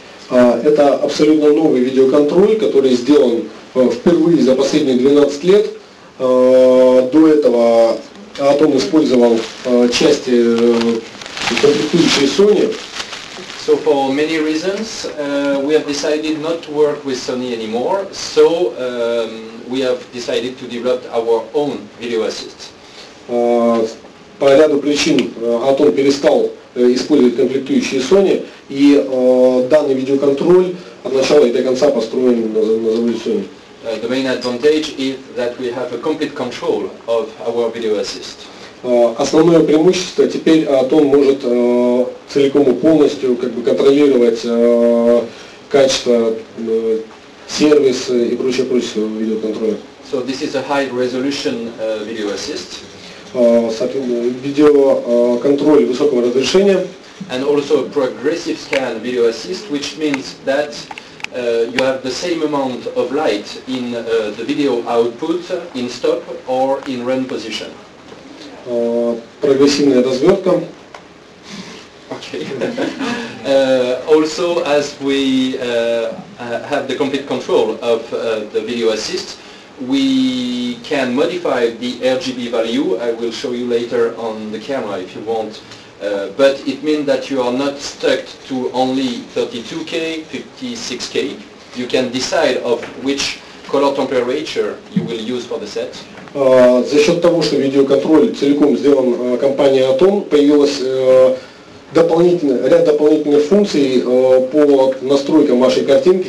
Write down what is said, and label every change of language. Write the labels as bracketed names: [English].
[Russian] Это абсолютно новый видеоконтроль, который сделан впервые за последние 12 лет. До этого Atom использовал части комплектующие Sony. [English] So for many reasons, we have decided not to work with Sony anymore. So we have decided to develop our own video assist. [Russian] По ряду причин Atom перестал использовать комплектующие Sony, и данный видеоконтроль от начала и до конца построен на заводе Sony. [English] The main advantage is that we have a complete control of our video assist. [Russian] Основное преимущество теперь Atom может целиком и полностью как бы контролировать качество, сервис и прочее видеоконтроля. [English] So this is a high resolution video assist. [Russian] Видеоконтроль высокого разрешения. [English] And also a progressive scan video assist, which means that you have the same amount of light in the video output in stop or in run position. [Russian] Прогрессивная развертка. [English] Okay. Also, as we have the complete control of the video assist, we can modify the RGB value. I will show you later on the camera if you want. But it means that you are not stuck to only 32K, 56K. You can decide of which color temperature you will use for the set? [Russian] За счет того, что видеоконтроль целиком сделан компанией Atom, появилось ряд дополнительных функций по настройкам вашей картинки.